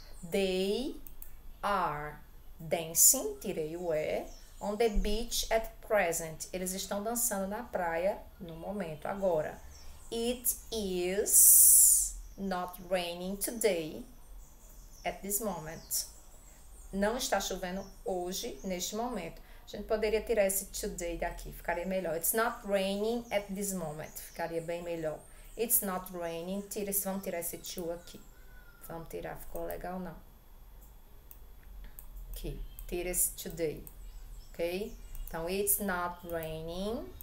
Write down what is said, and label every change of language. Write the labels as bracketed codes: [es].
[en] They are dancing, [pt] tirei o E, [en] on the beach at present. [pt] Eles estão dançando na praia no momento, agora. [en] It is not raining today at this moment. [pt] Não está chovendo hoje, neste momento. A gente poderia tirar esse today daqui, ficaria melhor. [en] It's not raining at this moment. [pt] Ficaria bem melhor. [en] It's not raining. [pt] Vamos tirar esse to aqui. Vamos tirar, ficou legal, não? Aqui. Tira esse today, ok? Então, [en] it's not raining.